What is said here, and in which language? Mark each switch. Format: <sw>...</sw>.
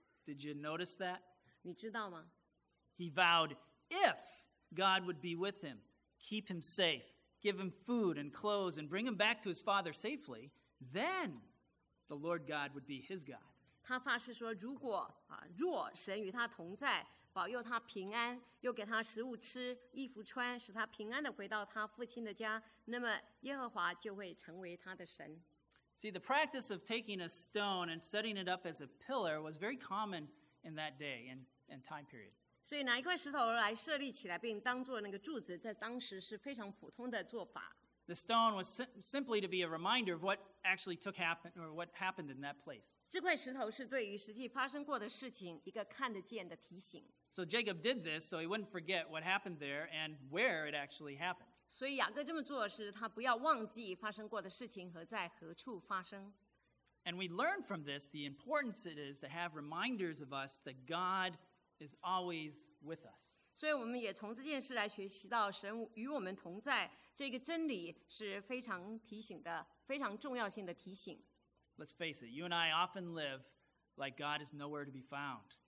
<en>Did you notice that?</en> <zh>你知道吗？</zh> <en>He vowed if God would be with him, keep him safe. Give him food and clothes and bring him back to his father safely, then the Lord God would be his God.</en> <zh>他发誓说如果若神与他同在，保佑他平安，又给他食物吃，衣服穿，使他平安地回到他父亲的家，那么耶和华就会成为他的神。</zh> <en>See, the practice of taking a stone and setting it up as a pillar was very common in that day and time period.</en> <zh>所以拿一块石头来设立起来，并当作那个柱子，在当时是非常普通的做法。</zh> <en>The stone was simply to be a reminder of what actually took happen or what happened in that place.</en> <zh>这块石头是对于实际发生过的事情一个看得见的提醒。</zh> <en>So Jacob did this so he wouldn't forget what happened there and where it actually happened.</en> <zh>所以雅各这么做是他不要忘记发生过的事情和在何处发生。</zh> <en>And we learn from this the importance it is to have reminders of us that God. Is always with us.</en> <zh>所以我们也从这件事来学习到神与我们同在这个真理是非常提醒的非常重要性的提醒。</zh> <en>Let's face it, you and I often live like God is nowhere to be found.</en>